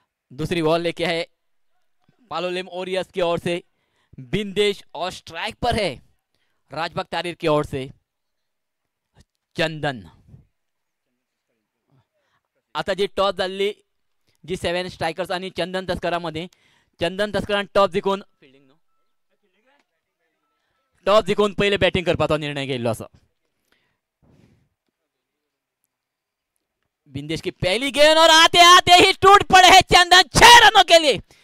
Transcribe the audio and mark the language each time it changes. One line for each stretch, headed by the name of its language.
Hindi: दूसरी बॉल लेके है पालोलेम ओरियस की ओर से बिंदेश, और स्ट्राइक पर है राजबक तारीर की ओर से चंदन।
Marathi: आता जी टॉस झाली जी 7 स्ट्राइकर्स आणि चंदन तस्करामध्ये, चंदन तस्करान टॉस जिंकून फिल्डिंग टॉस जिंकून पहिले बॅटिंग करपाचा निर्णय घेतला असं।
Hindi: बिंदेश की पहली गेंद और आते आते ही टूट पड़े हैं चंदन 6 रनों के लिए।